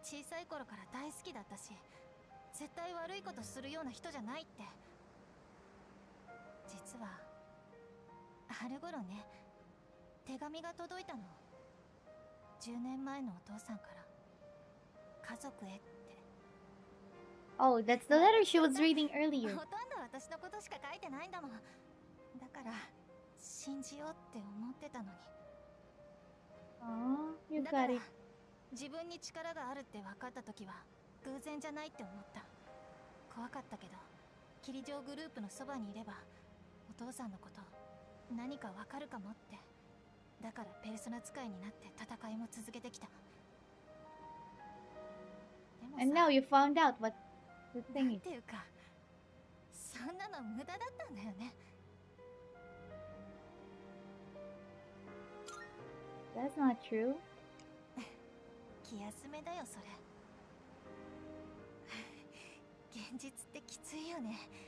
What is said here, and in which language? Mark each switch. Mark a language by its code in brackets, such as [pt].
[ja] 小さい頃から大好きだったし。絶対悪いことするような人じゃないって。実は春頃ね、手紙が届いたの。10年前のお父さんから。家族へって。 [en] Oh, that's the letter she was reading earlier. [ja] ほとんど私のことしか書いてないんだもん。だから信じようって思ってたのに。 [en] You got it. [ja] 自分に力があるって分かった時は偶然じゃないって思った。怖かったけど、霧城グループのそばにいればお父さんのこと何か分かるかもって。だからペルソナ使いになって戦いも続けてきた。 [en] And now you found out what the thing is. [ja] っていうか、そんなの無駄だったんだよね。 [en] That's not true. [ja] 気休めだよそれ。現実ってきついよね。